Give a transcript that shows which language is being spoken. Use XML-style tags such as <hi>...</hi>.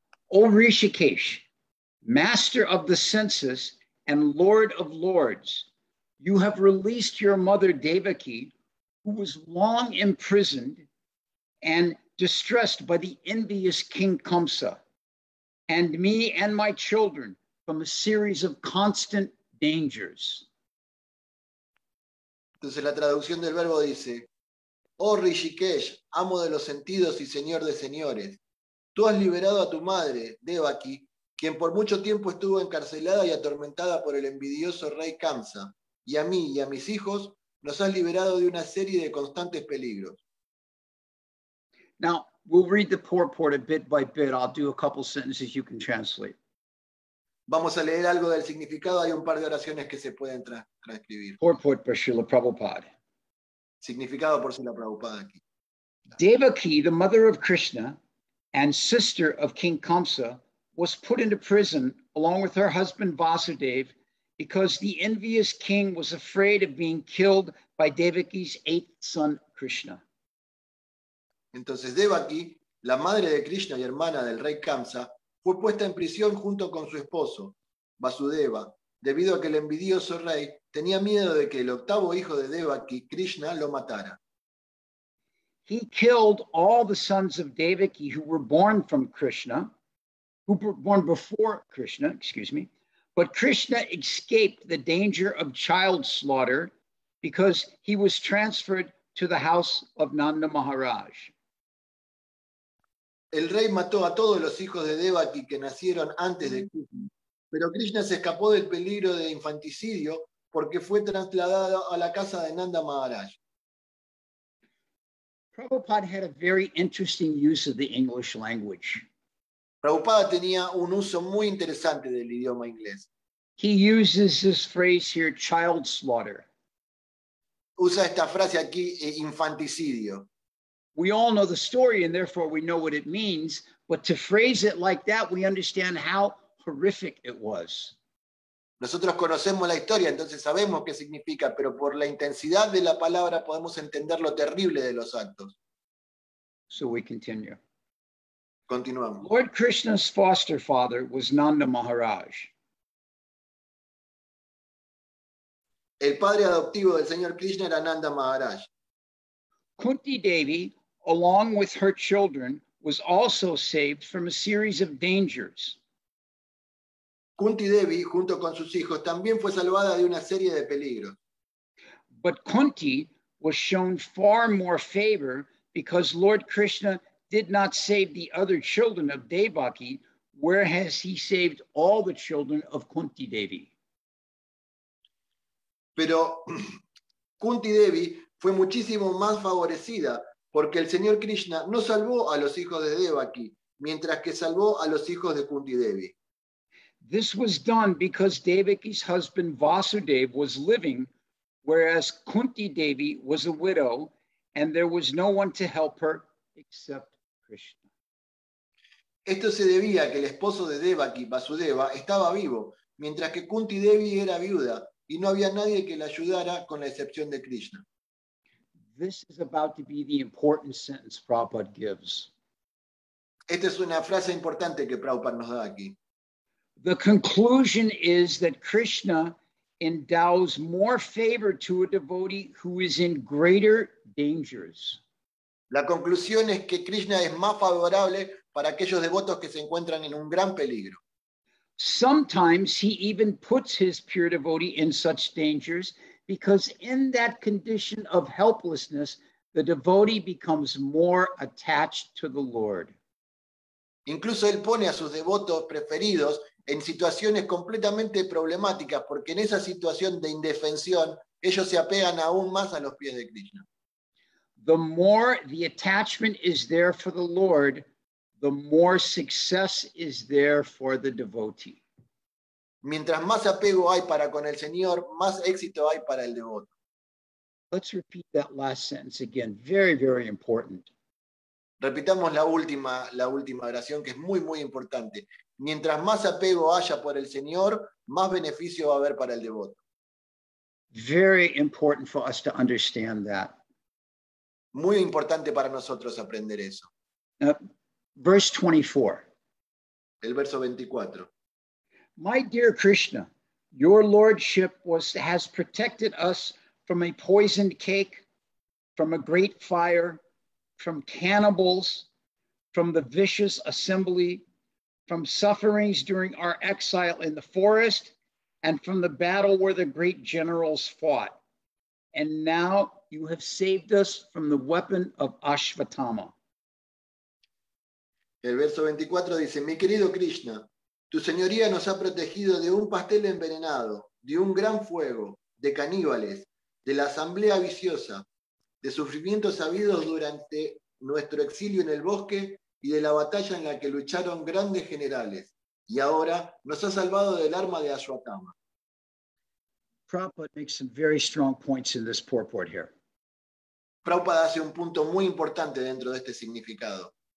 <en>O Rishikesh, master of the senses and lord of lords, you have released your mother Devaki, who was long imprisoned and distressed by the envious King Kamsa, and me and my children from a series of constant dangers.</en> <es>Entonces la traducción del verbo dice, oh Rishikesh, amo de los sentidos y señor de señores, tú has liberado a tu madre, Devaki, quien por mucho tiempo estuvo encarcelada y atormentada por el envidioso rey Kamsa, y a mí y a mis hijos, nos has liberado de una serie de constantes peligros.</es> <en>Now, we'll read the purport a bit by bit. I'll do a couple sentences you can translate.</en> <es>Vamos a leer algo del significado. Hay un par de oraciones que se pueden transcribir.</es> <en>Purport por Srila Prabhupada.</en> <es>Significado por Srila Prabhupada aquí.</es> <en>Devaki, the mother of Krishna and sister of King Kamsa, was put into prison along with her husband Vasudev because the envious king was afraid of being killed by Devaki's eighth son, Krishna.</en> <es>Entonces Devaki, la madre de Krishna y hermana del rey Kamsa, fue puesta en prisión junto con su esposo, Vasudeva, debido a que el envidioso rey tenía miedo de que el octavo hijo de Devaki, Krishna, lo matara.</es> <en>He killed all the sons of Devaki who were born from Krishna, who were born before Krishna, excuse me, but Krishna escaped the danger of child slaughter because he was transferred to the house of Nanda Maharaj.</en> <es>El rey mató a todos los hijos de Devaki que nacieron antes de Krishna, pero Krishna se escapó del peligro de infanticidio porque fue trasladado a la casa de Nanda Maharaj.</es> <en>Prabhupada had a very interesting use of the English language.</en> <es>Prabhupada tenía un uso muy interesante del idioma inglés.</es> <en>He uses this phrase here, child slaughter.</en> <es>Usa esta frase aquí, infanticidio.</es> <en>We all know the story and therefore we know what it means, but to phrase it like that, we understand how horrific it was.</en> <es>Nosotros conocemos la historia, entonces sabemos qué significa, pero por la intensidad de la palabra podemos entender lo terrible de los actos.</es> <en>So we continue.</en> <es>Continuamos.</es> <en>Lord Krishna's foster father was Nanda Maharaj.</en> <es>El padre adoptivo del señor Krishna era Nanda Maharaj.</es> <en>Kunti Devi, along with her children, was also saved from a series of dangers.</en> <es>Kunti Devi, junto con sus hijos, también fue salvada de una serie de peligros.</es> <en>But Kunti was shown far more favor because Lord Krishna did not save the other children of Devaki, whereas he saved all the children of Kunti Devi.</en> <es>Pero Kunti Devi fue muchísimo más favorecida porque el señor Krishna no salvó a los hijos de Devaki, mientras que salvó a los hijos de Kunti Devi.</es> <en>This was done because Devaki's husband Vasudev was living, whereas Kunti Devi was a widow and there was no one to help her except Krishna.</en> <es>Esto se debía a que el esposo de Devaki, Vasudeva, estaba vivo, mientras que Kunti Devi era viuda y no había nadie que la ayudara con la excepción de Krishna.</es> <en>This is about to be the important sentence Prabhupada gives.</en> <es>Esta es una frase importante que Prabhupada nos da aquí.</es> <en>The conclusion is that Krishna endows more favor to a devotee who is in greater dangers.</en> <es>La conclusión es que Krishna es más favorable para aquellos devotos que se encuentran en un gran peligro.</es> <en>Sometimes he even puts his pure devotee in such dangers because in that condition of helplessness, the devotee becomes more attached to the Lord.</en> <es>Incluso él pone a sus devotos preferidos en situaciones completamente problemáticas, porque en esa situación de indefensión ellos se apegan aún más a los pies de Krishna.</es> <en>The more the attachment is there for the Lord, the more success is there for the devotee.</en> <es>Mientras más apego hay para con el Señor, más éxito hay para el devoto.</es> <en>Let's repeat that last sentence again. Very, very important.</en> <es>Repitamos la última oración, que es muy, muy importante. Mientras más apego haya por el Señor, más beneficio va a haber para el devoto.</es> <en>Very important for us to understand that.</en> <es>Muy importante para nosotros aprender eso.</es> <en>Verse 24.</en> <es>El verso 24.</es> <en>My dear Krishna, your lordship has protected us from a poisoned cake, from a great fire, from cannibals, from the vicious assembly, from sufferings during our exile in the forest, and from the battle where the great generals fought. And now you have saved us from the weapon of Ashvatthama.</en> <es>El verso 24 dice, mi querido Krishna, tu señoría nos ha protegido de un pastel envenenado, de un gran fuego, de caníbales, de la asamblea viciosa, de sufrimientos habidos durante nuestro exilio en el bosque y de la batalla en la que lucharon grandes generales. Y ahora nos ha salvado del arma de Ashvatthama.</es> <en>Prabhupada makes some very strong points in this purport here.</en> <es>Prabhupada hace un punto muy importante dentro de este significado.</es>